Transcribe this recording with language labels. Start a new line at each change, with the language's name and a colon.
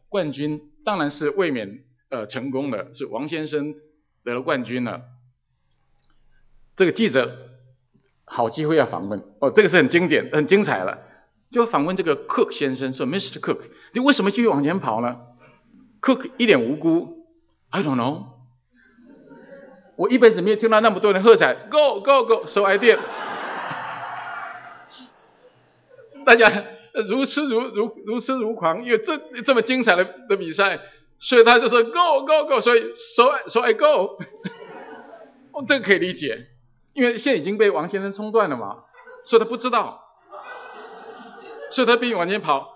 Chinese: 冠军当然是卫冕成功的，是王先生得了冠军了。这个记者好机会要访问，哦，这个是很经典很精彩了，就访问这个 Cook 先生，说 Mr. Cook， 你为什么继续往前跑呢？ Cook 一脸无辜，
English: I don't know，
Chinese: 我一辈子没有听到那么多人喝彩
English: Go go go， so I did。
Chinese: 大家如痴如狂，因为这么精彩的比赛，所以他就说
English: go go go，
Chinese: 所以 go， 哦，这个可以理解，因为线已经被王先生冲断了嘛，所以他不知道，所以他拼命往前跑。